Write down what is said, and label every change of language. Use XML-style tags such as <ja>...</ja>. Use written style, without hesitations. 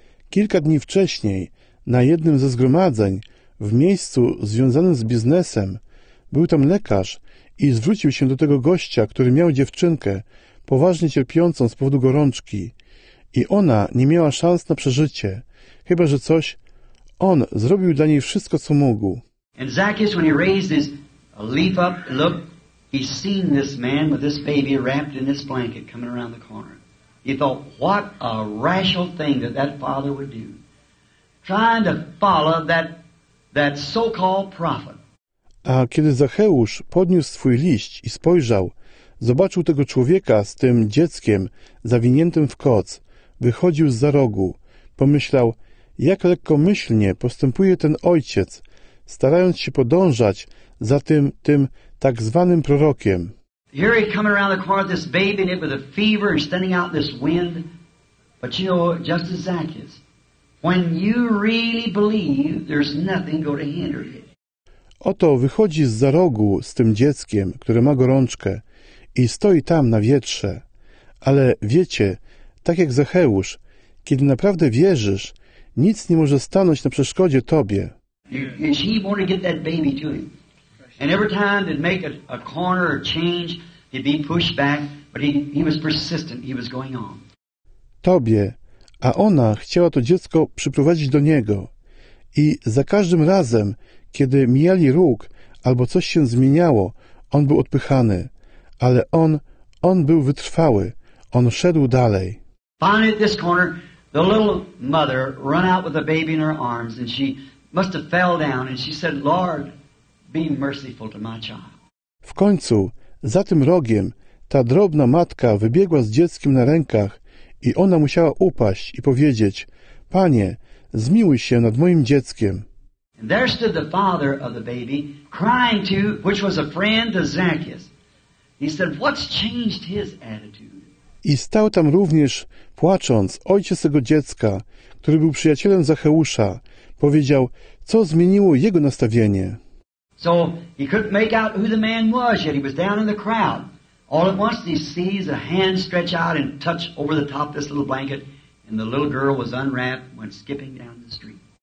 <pl>Kilka dni wcześniej, na jednym ze zgromadzeń, w miejscu związanym z biznesem, był tam lekarz i zwrócił się do tego gościa, który miał dziewczynkę, poważnie cierpiącą z powodu gorączki. I ona nie miała szans na przeżycie, chyba że coś. On zrobił dla niej wszystko, co mógł.</pl> <en>And Zacchaeus, when he raised his leaf up, look. He seen this man with this baby wrapped in this blanket coming around the corner. He thought, what a rational thing that father would do. Trying to follow that so-called prophet.</en> <pl>A kiedy Zacheusz podniósł swój liść i spojrzał, zobaczył tego człowieka z tym dzieckiem zawiniętym w koc, wychodził zza rogu, pomyślał, jak lekkomyślnie postępuje ten ojciec, starając się podążać za tym tak zwanym prorokiem.</pl> <en>Here he come around the corner, this baby in it with a fever and standing out this wind. But you know, just as Zacchaeus, when you really believe, there's nothing going to hinder it.</en> <pl>Oto wychodzi zza rogu z tym dzieckiem, które ma gorączkę i stoi tam na wietrze. Ale wiecie, tak jak Zacheusz, kiedy naprawdę wierzysz, nic nie może stanąć na przeszkodzie tobie.</pl> <en>Is he going to get that baby to him? And every time they'd make a corner or change, he'd be pushed back, but he was persistent, he was going on.</en> <pl>Tobie, a ona chciała to dziecko przyprowadzić do niego. I za każdym razem, kiedy mijali róg, albo coś się zmieniało, on był odpychany. Ale on był wytrwały, on szedł dalej.</pl> <en>Finally at this corner, the little mother ran out with a baby in her arms, and she must have fell down, and she said, Lord, being merciful to my child.</en> <pl>W końcu, za tym rogiem, ta drobna matka wybiegła z dzieckiem na rękach i ona musiała upaść i powiedzieć: Panie, zmiłuj się nad moim dzieckiem.</pl> <en>And there stood the father of the baby, crying to, which was a friend of Zacchaeus. He said, what's changed his attitude?</en> <pl>I stał tam również, płacząc, ojciec tego dziecka, który był przyjacielem Zacheusza, powiedział, co zmieniło jego nastawienie.</pl> <en>So he couldn't make out who the man was, yet he was down in the crowd. All at once he sees a hand stretch out and touch over the top of this little blanket, and the little girl was unwrapped, went skipping down the street.</en>